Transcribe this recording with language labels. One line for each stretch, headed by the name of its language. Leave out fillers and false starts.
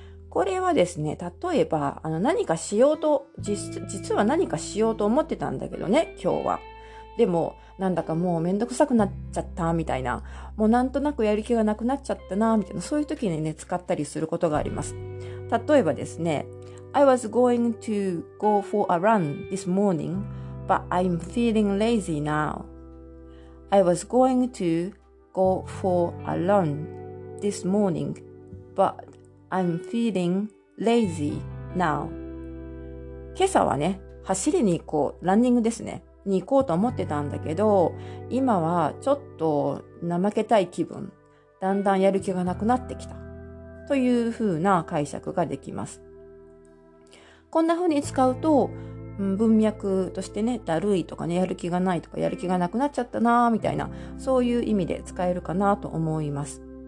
Japanese: これはですね、例えば、何かしようと、実は何かしようと思ってたんだけどね、今日は。でもなんだかもうめんどくさくなっちゃったみたいな、もうなんとなくやる気がなくなっちゃったなみたいな、そういう時にね使ったりすることがあります。例えばですね、
English: I was going to go for a run this morning but I'm feeling lazy now. I was going to go for a run this morning but I'm feeling lazy now.
Japanese: 今朝はね走りに行こう、ランニングですねに行こうと思ってたんだけど、今はちょっと怠けたい気分、だんだんやる気がなくなってきたというふうな解釈ができます。こんなふうに使うと、文脈としてね、だるいとかね、やる気がないとか、やる気がなくなっちゃったなみたいな、そういう意味で使えるかなと思います。